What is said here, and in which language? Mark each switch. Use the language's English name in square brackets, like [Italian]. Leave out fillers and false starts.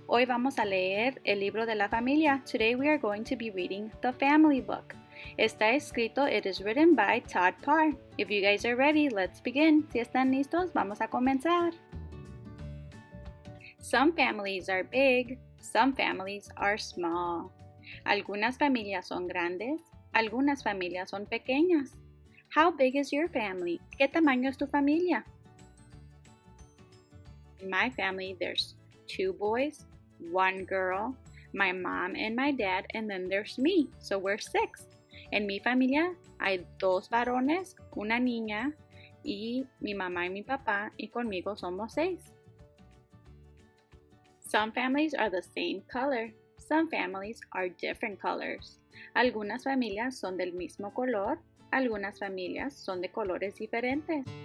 [Spanish] Hoy vamos a leer el libro de la familia. [English] Today we are going to be reading the family book. [Spanish] Está escrito, [English] it is written by Todd Parr. If you guys are ready, let's begin. [Spanish] Si están listos, vamos a comenzar. [English] Some families are big, some families are small. [Spanish] Algunas familias son grandes, algunas familias son pequeñas. [English] How big is your family? [Spanish] ¿Qué tamaño es tu familia? [English] In my family, there's two boys, one girl, my mom and my dad, and then there's me. So we're six. [Spanish] En mi familia, hay dos varones, una niña, y mi mamá y mi papá, y conmigo somos seis. [English] Some families are the same color. Some families are different colors. [Spanish] Algunas familias son del mismo color. Algunas familias son de colores diferentes.